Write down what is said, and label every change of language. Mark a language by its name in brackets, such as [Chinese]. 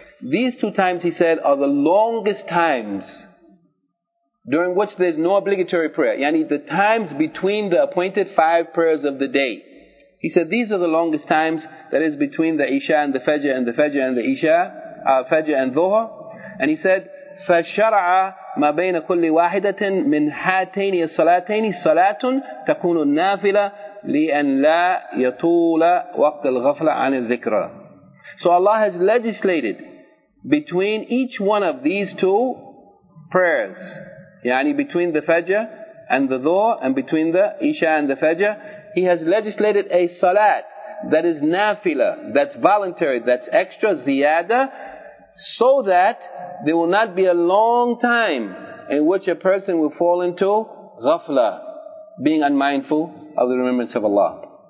[English] These two times, he said, are the longest times during which there's no obligatory prayer. Yani, the times between the appointed five prayers of the day. He said, these are the longest times, that is between the Isha and the Fajr and the Fajr and the Isha, Fajr and Dhuhr. And he said, [Arabic] فَشَرَعَ مَا بَيْنَ كُلِّ وَاحِدَةٍ مِنْ هَاتَيْنِ الصَّلَاتَيْنِ صَلَاةٌ تَكُونُ النَّافِلَ لِأَنْ لَا يَطُولَ وَقْتَ الْغَفْلَ عَنِ الذِّكْرَ. [English] So Allah has legislated between each one of these two prayers, yani between the Fajr and the Dhuhr, and between the Isha and the Fajr, He has legislated a salat that is nafila, that's voluntary, that's extra, ziyada, so that there will not be a long time in which a person will fall into ghafla, being unmindful of the remembrance of Allah.